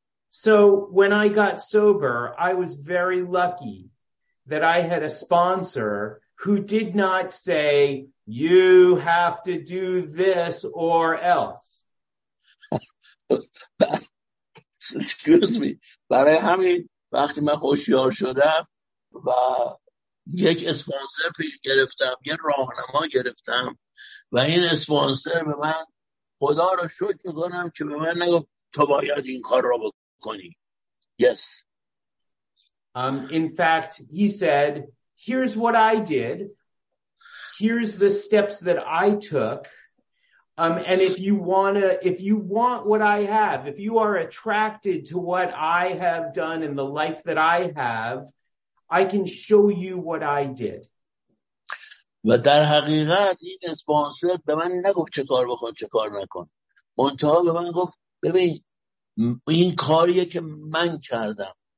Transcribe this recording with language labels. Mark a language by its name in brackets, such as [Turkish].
[English] So when I got sober, I was very lucky that I had a sponsor who did not say you have to do this or else. Excuse me. [Persian] برای همین وقتی من هوشیار شدم و یک اسپانسر گرفتم، یه راهنما گرفتم و این اسپانسر به من، خدا رو شکر می‌کنم که به من نگفت تو باید این کار رو بکنی. [English] Yes. In fact, he said, here's what I did. Here's the steps that I took. And if you want what I have, if you are attracted to what I have done in the life that I have, I can show you what I did. [Persian] و در حقیقت این اسپانسر به من نگفت چه کار بخون چه کار نکن. منتها به من گفت ببین این کاریه که من کردم.